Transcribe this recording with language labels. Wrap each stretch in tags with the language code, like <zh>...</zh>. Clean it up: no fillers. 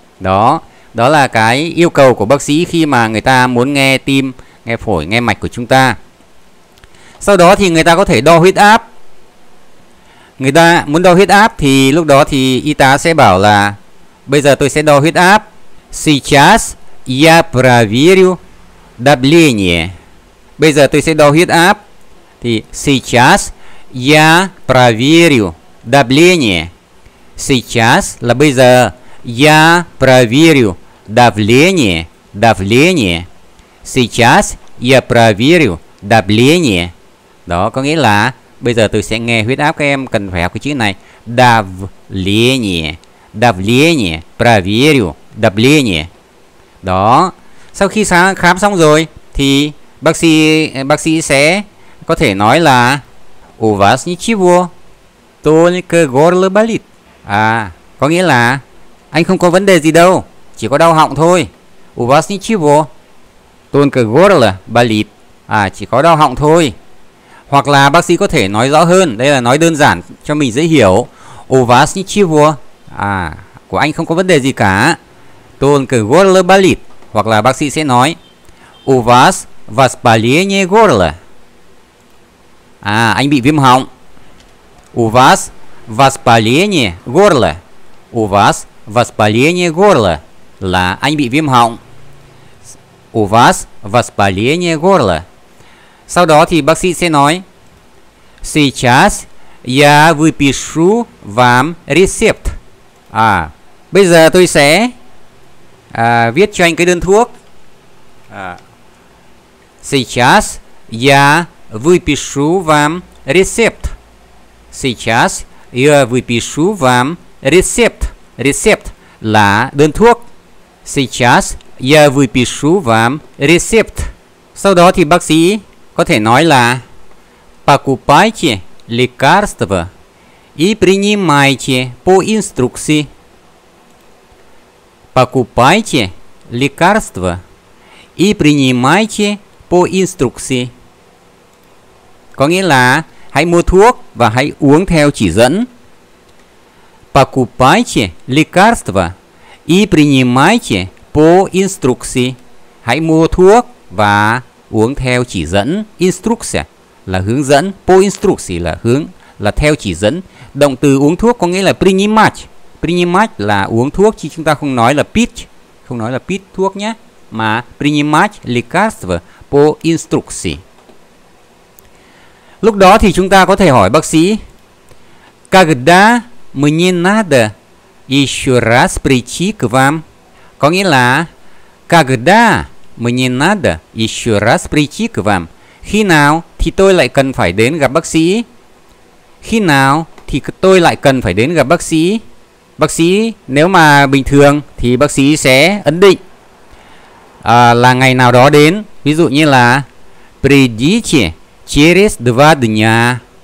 <vi>Đó, đó là cái yêu cầu của bác sĩ khi mà người ta muốn nghe tim, nghe phổi, nghe mạch của chúng ta. Sau đó thì người ta có thể đo huyết áp. Người ta muốn đo huyết áp thì lúc đó thì y tá sẽ bảo là bây giờ tôi sẽ đo huyết áp.</vi> <ru>Сейчас я проверю давление.</ru> <vi>Bây giờ tôi sẽ đo huyết áp.</vi> <ru>Thì сейчас я проверю давление.</ru> <vi>Сейчас là bây giờ.</vi> <ru>Я проверю давление. Давление. Сейчас я проверю давление.</ru> <vi>Đó có nghĩa là bây giờ tôi sẽ nghe huyết áp, các em cần phải học cái chữ này.</vi> <ru>Давление. Давление. Проверю давление. Đó.</ru> <vi>Sau khi khám xong rồi thì bác sĩ sẽ có thể nói là</vi> <ru>у вас ничего, только горло болит.</ru> <vi>Có nghĩa là anh không có vấn đề gì đâu, chỉ có đau họng thôi.</vi> <ru>У вас ничего, только горло болит.</ru> <vi>Chỉ có đau họng thôi. Hoặc là bác sĩ có thể nói rõ hơn, đây là nói đơn giản cho mình dễ hiểu.</vi> <ru>У вас ничего,</ru> <vi>của anh không có vấn đề gì cả.</vi> <ru>Только горло болит.</ru> <vi>Hoặc là bác sĩ sẽ nói</vi> <ru>у вас воспаление горла.</ru> <vi>Anh bị viêm họng.</vi> <ru>У вас воспаление горла. У вас воспаление горла.</ru> <vi>Là anh bị viêm họng.</vi> <ru>У вас воспаление горла.</ru> <vi>Sau đó thì bác sĩ sẽ nói</vi> <ru>сейчас я выпишу вам рецепт.</ru> <vi>Bây giờ tôi sẽ viết cho anh cái đơn thuốc.</vi> <ru>Сейчас я выпишу вам рецепт. Сейчас я выпишу вам рецепт.</ru> <vi>Рецепт là đơn thuốc.</vi> <ru>Сейчас я выпишу вам рецепт.</ru> <vi>Sau đó thì bác sĩ có thể nói là</vi> <ru>покупайте лекарства и принимайте по инструкции. Покупайте лекарства и принимайте по инструкции.</ru> <vi>Có nghĩa là hãy mua thuốc và hãy uống theo chỉ dẫn.</vi> <ru>Покупайте лекарства и принимайте по инструкции.</ru> <vi>Hãy mua thuốc và uống theo chỉ dẫn. Инструкция là hướng dẫn.</vi> <ru>По инструкции</ru> <vi>là hướng, là theo chỉ dẫn. Động từ uống thuốc có nghĩa là принимать. Принимать là uống thuốc, chứ chúng ta không nói là пить, không nói là пить thuốc nhé, mà</vi> <ru>принимать лекарства по инструкции.</ru> <vi>Lúc đó thì chúng ta có thể hỏi bác sĩ:</vi> <ru>Когда мне надо еще раз прийти к вам?</ru> <vi>Có nghĩa là</vi> <ru>Когда мне надо еще раз прийти к вам?</ru> <vi>Khi nào thì tôi lại cần phải đến gặp bác sĩ? Khi nào thì tôi lại cần phải đến gặp bác sĩ? Bác sĩ nếu mà bình thường thì bác sĩ sẽ ấn định là ngày nào đó đến. Ví dụ như là</vi> <ru>Придите через два дня.</ru>